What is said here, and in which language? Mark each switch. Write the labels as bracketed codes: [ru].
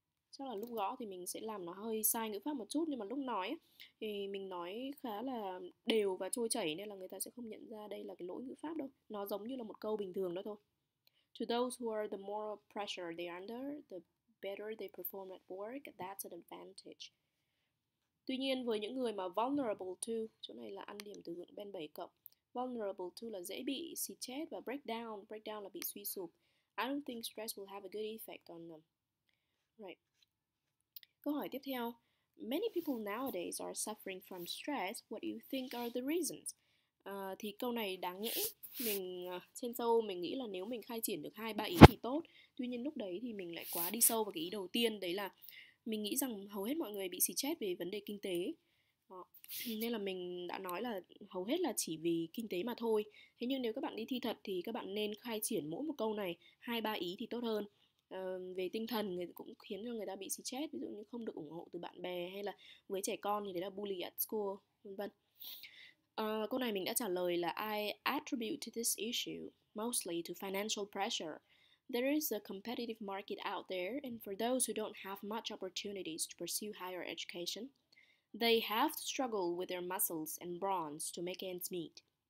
[vi] Chắc là lúc gõ thì mình sẽ làm nó hơi sai ngữ pháp một chút, nhưng mà lúc nói thì mình nói khá là đều và trôi chảy nên là người ta sẽ không nhận ra đây là cái lỗi ngữ pháp đâu. Nó giống như là một câu bình thường đó thôi. [en] To those who are the more pressure they are under, the better they perform at work, that's an advantage. [vi] Tuy nhiên với những người mà [en] vulnerable to, [vi] chỗ này là ăn điểm từ vựng bên 7 cộng. Vulnerable to là dễ bị xì chết và breakdown. Breakdown là bị suy sụp. [en] I don't think stress will have a good effect on them. Right. [vi] Câu hỏi tiếp theo. [en] Many people nowadays are suffering from stress. What do you think are the reasons? [vi] Thì câu này đáng nhẽ mình trên sâu mình nghĩ là nếu mình khai triển được hai ba ý thì tốt. Tuy nhiên lúc đấy thì mình lại quá đi sâu vào cái ý đầu tiên, đấy là mình nghĩ rằng hầu hết mọi người bị xì chết về vấn đề kinh tế. Đó. Nên là mình đã nói là hầu hết là chỉ vì kinh tế mà thôi. Thế nhưng nếu các bạn đi thi thật thì các bạn nên khai triển mỗi một câu này hai ba ý thì tốt hơn. Về tinh thần người cũng khiến cho người ta bị stress, ví dụ như không được ủng hộ từ bạn bè hay là với trẻ con thì đấy là [en] bully at school, [vi] vân vân. Câu này mình đã trả lời là [en] I attribute to this issue mostly to financial pressure. There is a competitive market out there, and for those who don't have much opportunities to pursue higher education, they have to struggle with their muscles and brawn to make ends meet.